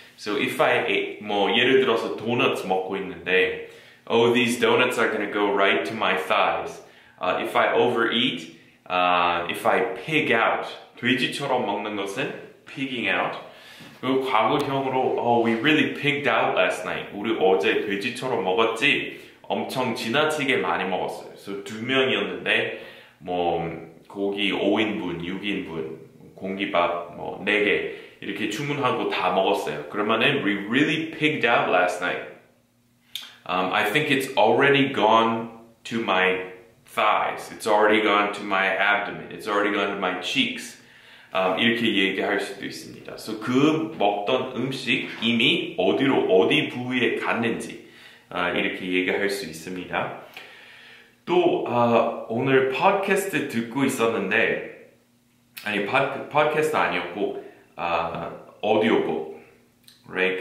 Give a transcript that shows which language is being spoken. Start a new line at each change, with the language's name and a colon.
English: So if I ate,
Korean: 뭐 예를 들어서 도넛 먹고 있는데
English: oh, these donuts are gonna go right to my thighs. If I overeat, if I pig out,
Korean: 돼지처럼 먹는 것은
English: pigging out.
Korean: 그 과거형으로,
English: oh, we really pigged out last night.
Korean: 우리 어제 돼지처럼 먹었지. 엄청 지나치게 많이 먹었어요. 그래서 두 명이었는데, 뭐, 고기 5인분, 6인분, 공깃밥 뭐, 4개, 이렇게 주문하고 다 먹었어요. 그러면은,
English: we really pigged out last night. I think it's already gone to my thighs. It's already gone to my abdomen. It's already gone to my cheeks.
Korean: 이렇게 얘기할 수도 있습니다. So 그 먹던 음식 이미 어디로 어디 부위에 갔는지 이렇게 얘기할 수 있습니다. 또 오늘 팟캐스트 듣고 있었는데 아니 팟캐스트 아니었고 오디오북 right?